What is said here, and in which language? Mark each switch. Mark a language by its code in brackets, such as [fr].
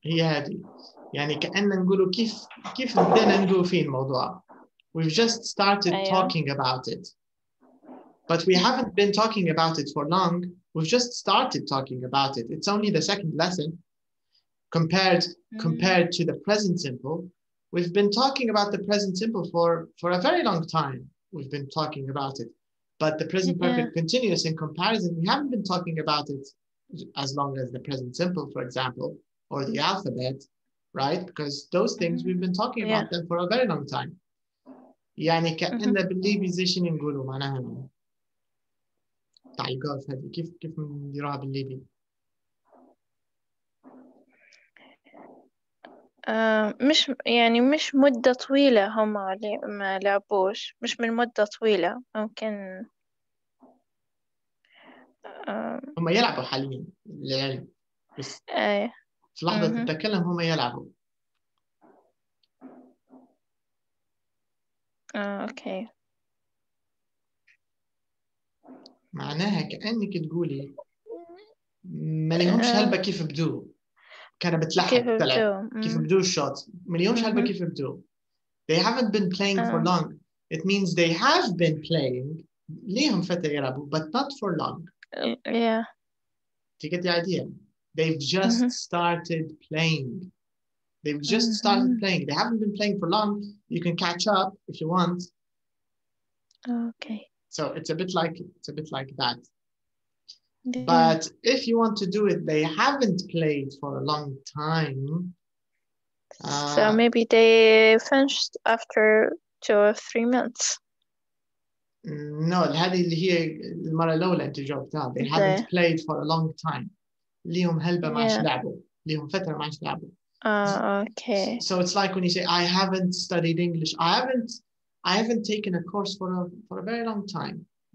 [ar] هي هذه يعني كأننا نقولوا كيف بدأنا نقول في الموضوع. [en] We've just started talking about it but we haven't been talking about it for long. We've just started talking about it. It's only the second lesson. Compared to the present simple, we've been talking about the present simple for a very long time. We've been talking about it, but the present perfect continuous in comparison, we haven't been talking about it as long as the present simple, for example, or the alphabet, right? Because those things we've been talking about them for a very long time. [ar] يعني كأن بالليبيزيشن يقولوا معناها بتاع الجولف هذه كيف كيف نديروها بالليبي؟ مش يعني مش مدة طويلة هم ما لعبوش، مش من مدة طويلة ممكن هم يلعبوا حاليا للعلم، بس في لحظة تتكلم هم يلعبوا. اوكي معناها كأنك تقولي ما لهمش هلبة كيف بدو، كان بتلحق كيف بتلعب كيف بدو الشوت، ما لهمش هلبة كيف بدو. [en] They haven't been playing for long. It means they have been playing [ar] ليهم فترة يلعبوا [en] but not for long. Yeah. Do you get the idea? They've just started playing. They've just started playing. They haven't been playing for long. You can catch up if you want. Okay. So it's a bit like that. But if you want to do it, they haven't played for a long time. So maybe they finished after 2 or 3 months. No, [ar] هذه اللي هي المرة الأولى أنت جاوبتها. [en] They haven't played for a long time. [ar] ليهم هلبة ما عادش لعبوا. ليهم فترة ما عادش لعبوا. [en] Okay. So it's like when you say, I haven't studied English. I haven't taken a course for a very long time.